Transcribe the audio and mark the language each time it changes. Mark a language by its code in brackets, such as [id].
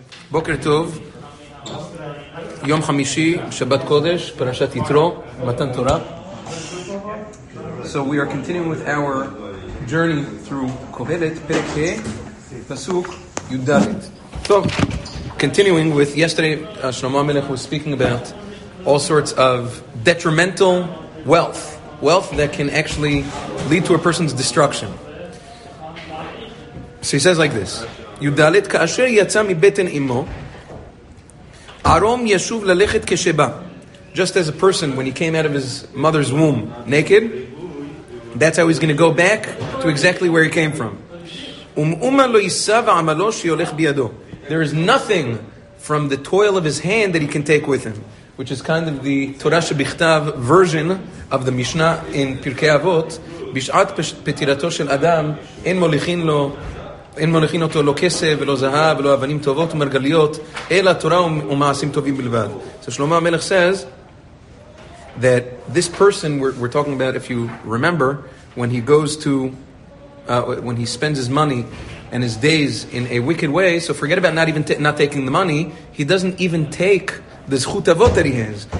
[he] בוקר טוב, יום חמישי, שבת קודש, פרשת יתרו, מתן תורה. [en] So we are continuing with our journey through Kohelet, [he] פרק ה', פסוק י"ד. [en] So, continuing with yesterday, Shlomo HaMelech was speaking about all sorts of detrimental wealth. Wealth that can actually lead to a person's destruction. So he says like this. [he] יודלת כאשר יצא מבטן אמו ארום ישוב ללכת כשבא. [en] Just as a person when he came out of his mother's womb naked, that's how he's going to go back to exactly where he came from. [he] ומאומה לא יישא ועמלו שיולך בידו. [en] There is nothing from the toil of his hand that he can take with him, which is kind of the Torah שבכתב version of the Mishnah in Pirkei Avot. [he] בשעת פטירתו של אדם אין מוליכין לו אין מולכין אותו לא כסף ולא זהב ולא אבנים טובות ומרגליות, אלא תורה ומעשים טובים בלבד. [en] So Shlomo HaMelech says that this person we're talking about, if you remember, when he goes to, when he spends his money and his days in a wicked way, so forget about not taking the money, he doesn't even take the zchut avot that he has.